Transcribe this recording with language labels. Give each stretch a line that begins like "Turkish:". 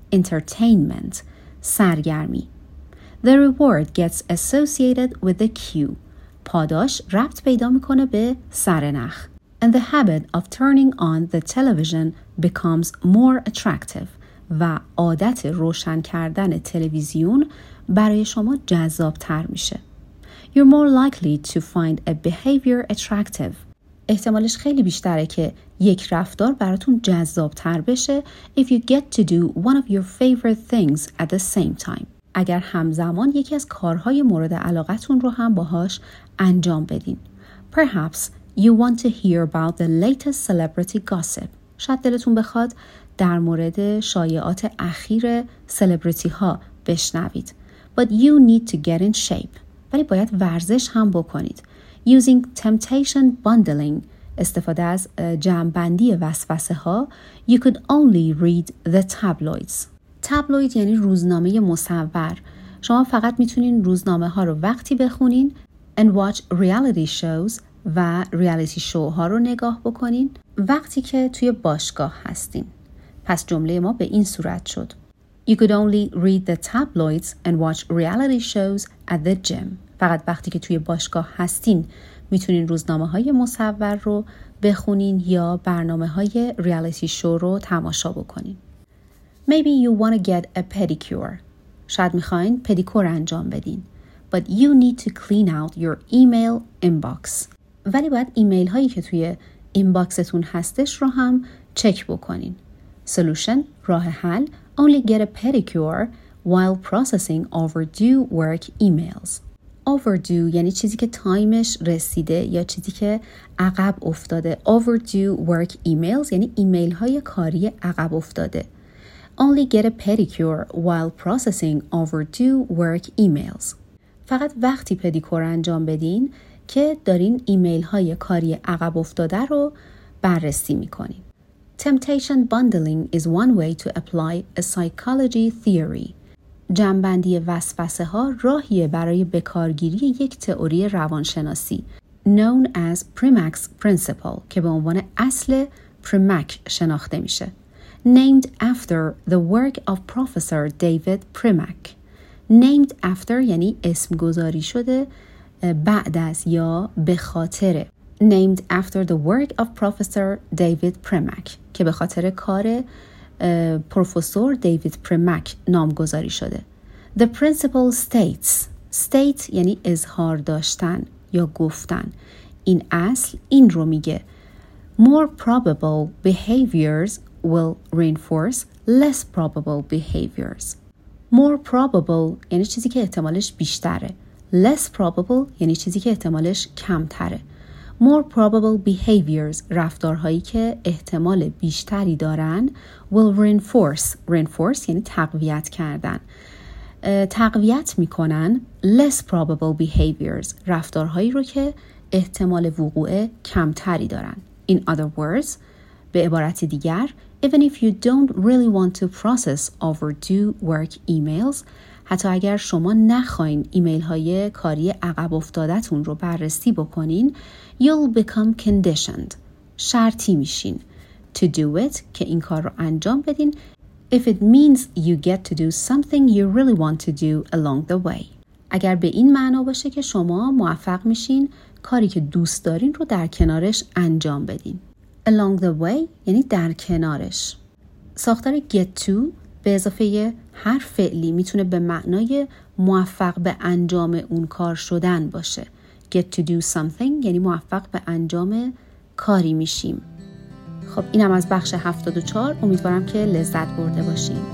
English: entertainment, سرگرمی. The reward gets associated with the cue.
Persian: پاداش ربط پیدا میکنه به سرنخ.
English: And the habit of turning on the television becomes more attractive.
Persian: و عادت روشن کردن تلویزیون برای شما جذاب تر میشه.
English: You're more likely to find a behavior attractive.
Persian: احتمالش خیلی بیشتره که یک رفتار براتون جذاب تر بشه
English: if you get to do one of your favorite things at the same time.
Persian: اگر همزمان یکی از کارهای مورد علاقتون رو هم باهاش انجام بدین.
English: Perhaps you want to hear about the latest celebrity gossip.
Persian: شاید دلتون بخواد در مورد شایعات اخیر سلبریتی ها بشنوید.
English: But you need to get in shape.
Persian: ولی باید ورزش هم بکنید.
English: Using temptation bundling,
Persian: استفاده از جمع‌بندی وسوسه ها,
English: you could only read the tabloids.
Persian: تابلوید یعنی روزنامه مصور. شما فقط میتونین روزنامه ها رو وقتی بخونین
English: and watch reality shows
Persian: و reality show ها رو نگاه بکنین وقتی که توی باشگاه هستین. پس جمله ما به این صورت شد.
English: You could only read the tabloids and watch reality shows at the gym.
Persian: فقط وقتی که توی باشگاه هستین میتونین روزنامه های مصور رو بخونین یا برنامه های reality show رو تماشا بکنین.
English: Maybe you want to get a pedicure.
Persian: شاید میخواین پدیکور انجام بدین.
English: But you need to clean out your email inbox.
Persian: ولی باید ایمیل هایی که توی اینباکستون هستش رو هم چک بکنین.
English: Solution,
Persian: راه حل,
English: only get a pedicure while processing overdue work emails.
Persian: Overdue یعنی چیزی که تایمش رسیده یا چیزی که عقب افتاده.
English: Overdue work emails
Persian: یعنی ایمیل های کاری عقب افتاده.
English: Only get a pedicure while processing overdue work emails.
Persian: فقط وقتی پدیکور انجام بدین که دارین ایمیل های کاری عقب افتاده رو بررسی میکنین.
English: Temptation bundling is one way to apply a psychology theory.
Persian: جمع‌بندی وسوسه ها راهیه برای بکارگیری یک تئوری روانشناسی
English: known as Primack's principle
Persian: که به عنوان اصل Primack شناخته میشه.
English: Named after the work of Professor David Primack. Named after
Persian: یعنی اسم گذاری شده بعد از یا به خاطر.
English: Named after the work of Professor David Primack
Persian: که به خاطر کار پروفسور دیوید پریمک نامگذاری شده.
English: The principle states.
Persian: State یعنی اظهار داشتن یا گفتن. این اصل این رو میگه.
English: More probable behaviors will reinforce less probable behaviors. More probable
Persian: یعنی چیزی که احتمالش بیشتره.
English: Less probable
Persian: یعنی چیزی که احتمالش کمتره.
English: More probable behaviors,
Persian: رفتارهایی که احتمال بیشتری دارن,
English: will reinforce.
Persian: Reinforce یعنی تقویت کردن. تقویت میکنن
English: less probable behaviors,
Persian: رفتارهایی رو که احتمال وقوع کمتری دارن.
English: In other words,
Persian: به عبارت دیگر,
English: even if you don't really want to process overdue work emails,
Persian: حتی اگر شما نخواین ایمیل های کاری عقب افتادتون رو بررسی بکنین,
English: you'll become conditioned,
Persian: شرطی میشین,
English: to do it,
Persian: که این کار رو انجام بدین,
English: if it means you get to do something you really want to do along the way.
Persian: اگر به این معنا باشه که شما موفق میشین کاری که دوست دارین رو در کنارش انجام بدین.
English: Along the way
Persian: یعنی در کنارش. ساختار get to به اضافه هر فعلی میتونه به معنای موفق به انجام اون کار شدن باشه.
English: Get to do something
Persian: یعنی موفق به انجام کاری میشیم. خب اینم از بخش 74. امیدوارم که لذت برده باشیم.